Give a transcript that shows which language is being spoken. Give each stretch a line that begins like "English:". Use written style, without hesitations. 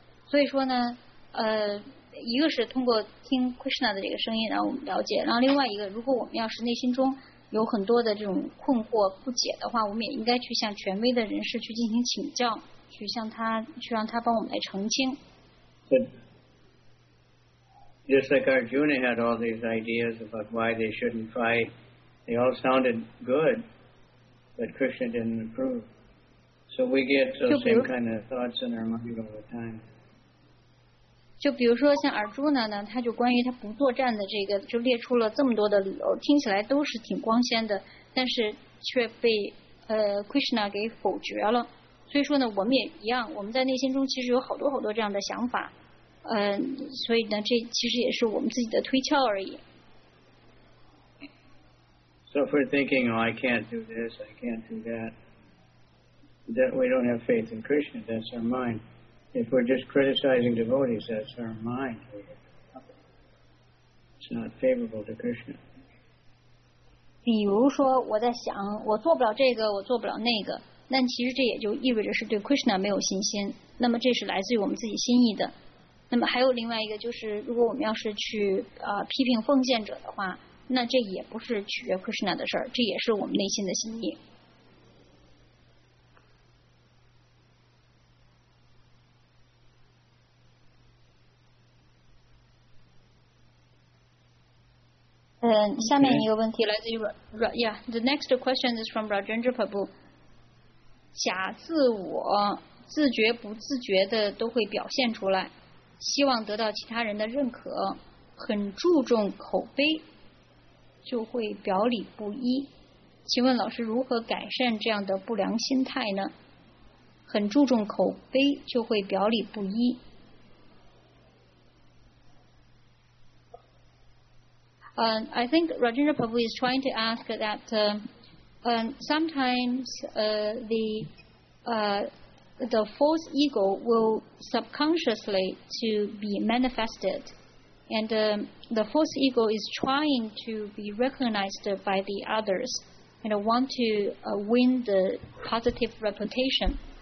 Chinese: 所以说呢，一个是通过听 Krishna 的这个声音，然后我们了解；然后另外一个，如果我们要是内心中有很多的这种困惑不解的话，我们也应该去向权威的人士去进行请教，去向他，去让他帮我们来澄清。
English: But, Just like Arjuna had all these ideas about why they shouldn't fight, they all sounded good, but Krishna didn't approve. So we get those same kind of thoughts in our mind all the time.
Chinese: 就比如说像尔朱呢他就关于他不作战的这个就列出了这么多的理由听起来都是挺光鲜的但是却被Krishna 给否决了所以说呢我们也一样我们在内心中其实有好多好多这样的想法所以呢这其实也是我们自己的推敲而已
English: So if we're thinking oh I can't do this I can't do that that we don't have faith in Krishna that's our mindIf we're just criticizing devotees, that's our mind. It's not favorable to Krishna.
Chinese: 比如说我在想我做不了这个我做不了那个那其实这也就意味着是对 Krishna 没有信心那么这是来自于我们自己心意的。那么还有另外一个就是如果我们要是去批评奉献者的话那这也不是取决 Krishna 的事儿这也是我们内心的心意。
English: The next question is from Rajendra Prabhu.
Chinese: 假自我自觉不自觉的都会表现出来希望得到其他人的认可很注重口碑就会表里不一请问老师如何改善这样的不良心态呢很注重口碑就会表里不一
English: I think Rajendra Prabhu is trying to ask that sometimes the false ego will subconsciously to be manifested, and the false ego is trying to be recognized by the others and want to win the positive reputation,